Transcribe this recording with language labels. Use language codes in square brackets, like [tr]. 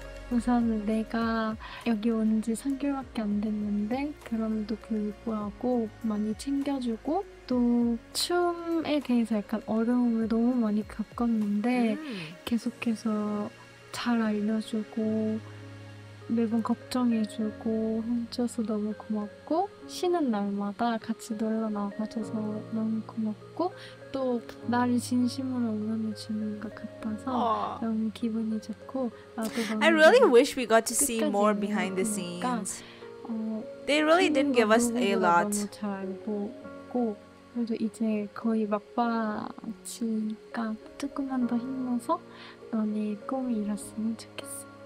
[ko] 우선 내가 여기 온 지 3개월밖에 안 됐는데 그럼에도 불구하고 많이 챙겨주고 또 춤에 대해서 약간 어려움을 너무 많이 겪었는데 계속해서 잘 알려주고 매번 걱정해주고 혼자서 너무 고맙고 쉬는 날마다 같이 놀러 나가줘서 너무 고맙고 또 나를 진심으로 응원해주는 것 같아서 Aww. 너무 기분이 좋고 나도 [en] I really wish we got to see more behind the scenes. They really didn't give us a lot. [ko] 너무 잘 보고 그래도 이제 거의 막바지니까 조금만 더 힘내서 너네 꿈이 이뤘으면 좋겠어.